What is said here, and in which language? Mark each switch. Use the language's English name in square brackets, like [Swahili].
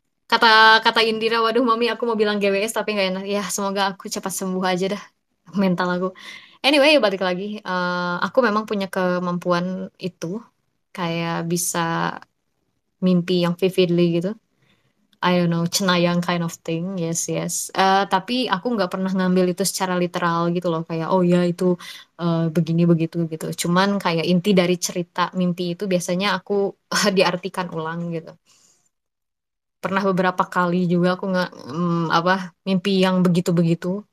[Indonesian] Kata kata Indira, waduh mami aku mau bilang GWS tapi nggak enak. Ya semoga aku cepat sembuh aja dah mental aku. Anyway, balik lagi. Aku memang punya kemampuan itu. Kayak bisa mimpi yang vividly gitu. [English] I don't know, cenayang kind of thing, yes. [Indonesian] Tapi aku nggak pernah ngambil itu secara literal gitu loh, kayak oh ya itu begini begitu gitu. Cuman kayak inti dari cerita mimpi itu biasanya aku diartikan ulang gitu. Pernah beberapa kali juga aku nggak apa mimpi yang begitu begitu.